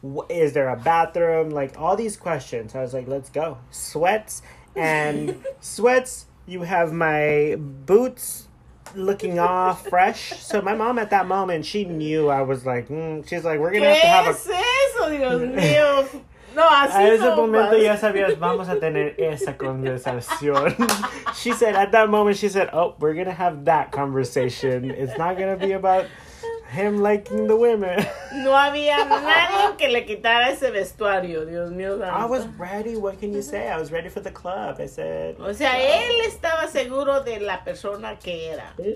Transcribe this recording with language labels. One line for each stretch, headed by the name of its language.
English: Is there a bathroom? Like, all these questions. I was like, let's go. Sweats and sweats. You have my boots looking off fresh. So my mom at that moment, she knew I was like, she's like, we're going to have a...
Spanish: ¿Qué es eso, Dios mío? No, así en ese momento ya sabías, vamos a tener esa conversación.
English: She said, at that moment, she said, oh, we're going to have that conversation. It's not going to be about him liking the women.
Spanish: No había nadie que le quitara ese vestuario, Dios mío.
English: I was ready, what can you say? I was ready for the club. I said,
Spanish: o sea, wow. Él estaba seguro de la persona que era.